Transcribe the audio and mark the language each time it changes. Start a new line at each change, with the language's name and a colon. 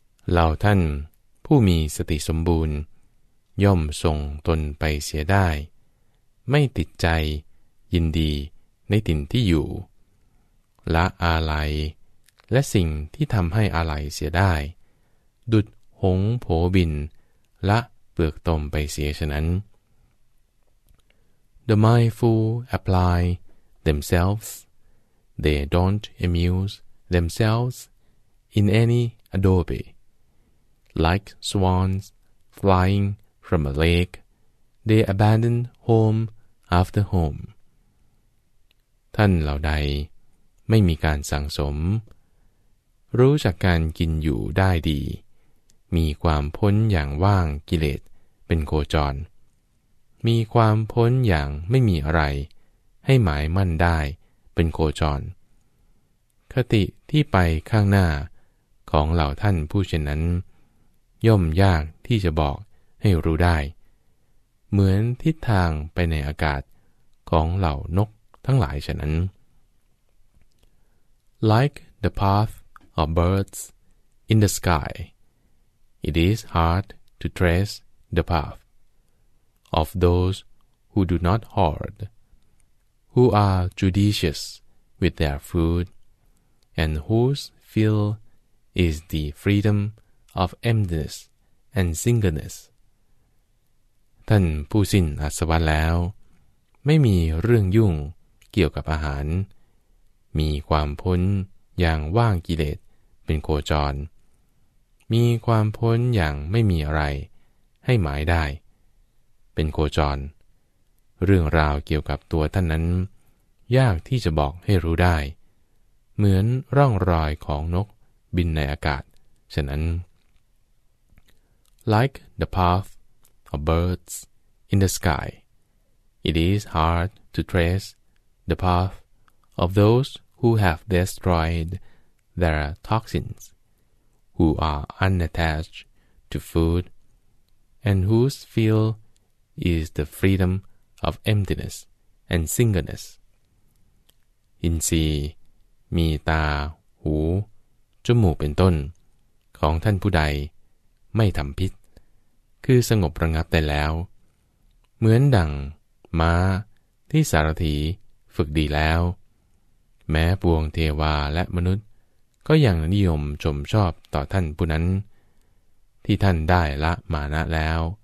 Thai: เหล่าท่านผู้มีสติสมบูรณ์ย่อมส่งตนไปเสียได้ไม่ติดใจยินดีในถิ่นที่อยู่ละอาลัยและสิ่งที่ทำให้อาลัยเสียได้ดุจหงโผบินละเปลือกตมไปเสียฉะนั้น
English: The mindful apply themselves. They don't amuse themselves in any adobe. Like swans flying from a lake, they abandon home after home.
Thai: ท่านเหล่าใดไม่มีการสั่งสมรู้จักการกินอยู่ได้ดีมีความพ้นอย่างว่างกิเลสเป็นโคจรมีความพ้นอย่างไม่มีอะไรให้หมายมั่นได้เป็นโคจร คติที่ไปข้างหน้าของเหล่าท่านผู้เช่นนั้นย่อมยากที่จะบอกให้รู้ได้เหมือนทิศทางไปในอากาศของเหล่านกทั้งหลายฉะนั้น
English: Like the path of birds in the skyIt is hard to trace the path of those who do not hoard, who are judicious with their food, and whose field is the freedom of emptiness and singleness.
Thai: ท่านผู้สิ้นอาสวะแล้วไม่มีเรื่องยุ่งเกี่ยวกับอาหารมีความพ้นอย่างว่างกิเลสเป็นโคจรมีความพ้นอย่างไม่มีอะไรให้หมายได้เป็นโคจรเรื่องราวเกี่ยวกับตัวท่านนั้นยากที่จะบอกให้รู้ได้เหมือนร่องรอยของนกบินในอากาศฉะนั้น
English: Like the path of birds in the sky, it is hard to trace the path of those who have destroyed their toxinswho are unattached to food, and whose field is the freedom of emptiness and singleness.
Thai: อินทรีย์มีตาหูจมูกเป็นต้นของท่านผู้ใดไม่ทำพิษคือสงบระงับได้แล้วเหมือนดั่งม้าที่สารถีฝึกดีแล้วแม้ปวงเทวาและมนุษย์ก็ยังนิยมชมชอบต่อท่านผู้นั้นที่ท่านได้ละมานะแล้ว